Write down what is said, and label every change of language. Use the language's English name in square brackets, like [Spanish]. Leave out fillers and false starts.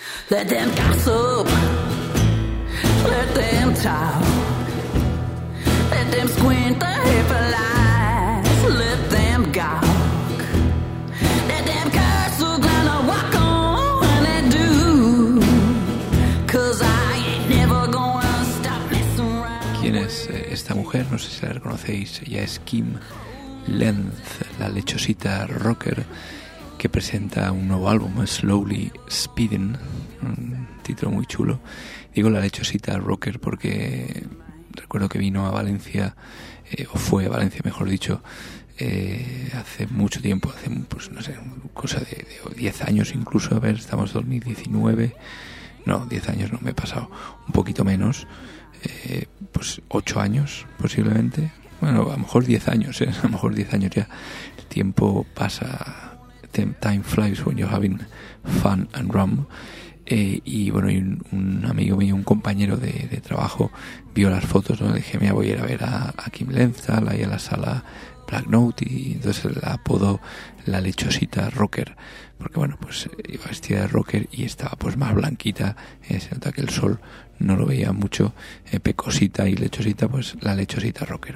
[English] Let them gossip, let them talk, let them squint the hateful eyes, let them gawk, let them curse who gonna walk on when they do, cause I ain't never gonna stop messing around. [Spanish] ¿Quién es esta mujer? No sé si la reconocéis, ella es Kim Lenz, la lechosita rocker, que presenta un nuevo álbum, Slowly Speeding, un título muy chulo. Digo la lechosita rocker porque recuerdo que vino a Valencia, o fue a Valencia, mejor dicho, hace mucho tiempo, hace, pues no sé, cosa de 10 años incluso, a ver, estamos en 2019, no, 10 años no, me he pasado, un poquito menos, pues 8 años posiblemente, bueno, a lo mejor 10 años, a lo mejor 10 años ya, el tiempo pasa. [English] Time flies when you're having fun and rum. [Spanish] Y bueno, y un amigo mío, un compañero de trabajo, vio las fotos, ¿no? Le dije, mira, voy a ir a ver a Kim Lenzal ahí a la sala Black Note, y entonces la apodo la lechosita rocker, porque bueno, pues iba vestida de rocker y estaba pues más blanquita, se nota que el sol no lo veía mucho, pecosita y lechosita, pues la lechosita rocker.